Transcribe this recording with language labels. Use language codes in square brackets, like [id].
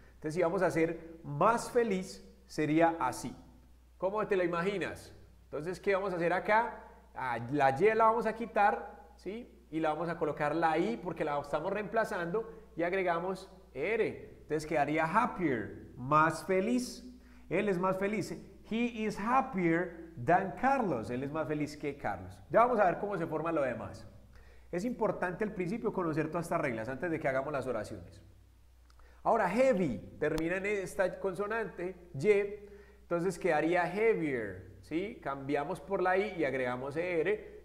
[es] Entonces, si vamos a hacer más feliz, sería así. ¿Cómo te lo imaginas? Entonces, ¿qué vamos a hacer acá? La Y la vamos a quitar, ¿sí? Y la vamos a colocar la I porque la estamos reemplazando y agregamos ER. Entonces quedaría happier, más feliz. Él es más feliz. [en] He is happier than Carlos. [es] Él es más feliz que Carlos. Ya vamos a ver cómo se forma lo demás. Es importante al principio conocer todas estas reglas antes de que hagamos las oraciones. Ahora, heavy, termina en esta consonante, Y. Entonces quedaría heavier, ¿sí? Cambiamos por la I y agregamos ER.